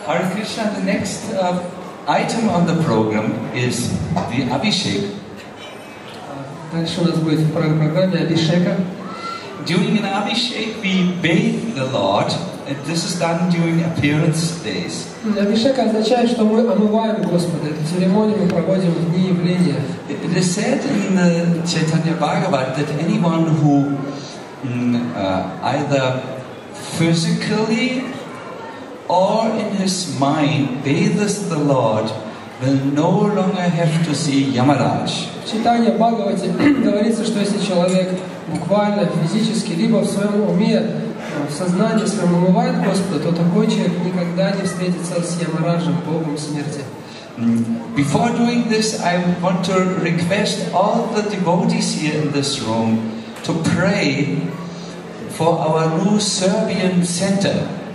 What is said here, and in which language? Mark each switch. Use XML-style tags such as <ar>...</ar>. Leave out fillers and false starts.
<en>Krishna, the next item on the program is the Abhishek.</en> <ru>Дальше у нас будет в программе Абишека.</ru> <en>During an Abhishek, we bathe the Lord. And this is done during appearance days.</en> <ru>Абишека означает, что мы омываем Господа. Эту церемонию мы проводим в дни явления.</ru> <en>It is said in the Chaitanya Bhagavad that anyone who either physically or in his mind bathes the Lord will no longer have to see Yamaraj.</en> <ru>В Читании Бхагавате говорится, что если человек буквально, физически, либо в своем уме, в сознании своем умывает Господа, то такой человек никогда не встретится с Ямараджем, Богом смерти.</ru> <en>Before doing this, I want to request all the devotees here in this room to pray for our new Serbian center.</en>